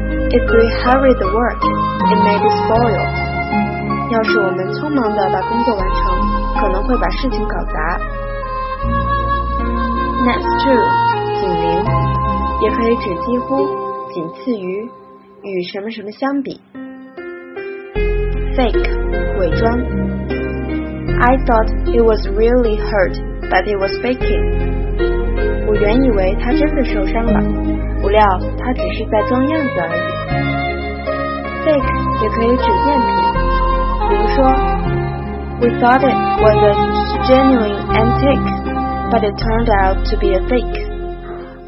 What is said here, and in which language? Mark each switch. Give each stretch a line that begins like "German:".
English: If we hurry the work, it may be spoiled.
Chinese: 要是我们匆忙地把工作完成，可能会把事情搞砸。
English: Next to, 紧邻，
Chinese: 也可以指几乎、仅次于、与什么什么相比。
English: Fake, 伪装。 I thought he was really hurt, but he was faking.
Chinese: 我原以为他真的受伤了，不料他只是在装样子而已。
English: Fake 也可以指赝品，比如说 We thought it was a genuine antique, but it turned out to be a fake.